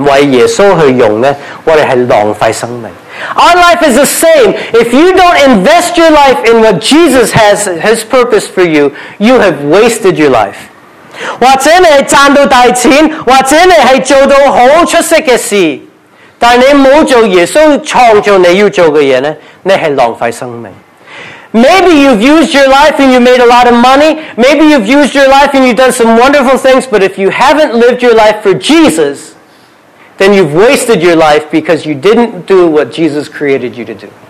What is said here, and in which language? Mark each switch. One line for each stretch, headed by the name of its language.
Cantonese: 我哋生命系一样，我哋嘅生命如果我哋想为自己保留，我哋唔为耶稣去用咧，我哋系浪费生命。
English: Our life is the same. If you don't invest your life in what Jesus has His purpose for you, you have wasted your life.
Cantonese: 或者你赚到大钱，或者你系做到好出色嘅事，但你冇做耶稣创造你要做嘅嘢咧，你系浪费生命。
English: Maybe you've used your life and you made a lot of money. Maybe you've used your life and you've done some wonderful things. But if you haven't lived your life for Jesus, then you've wasted your life because you didn't do what Jesus created you to do.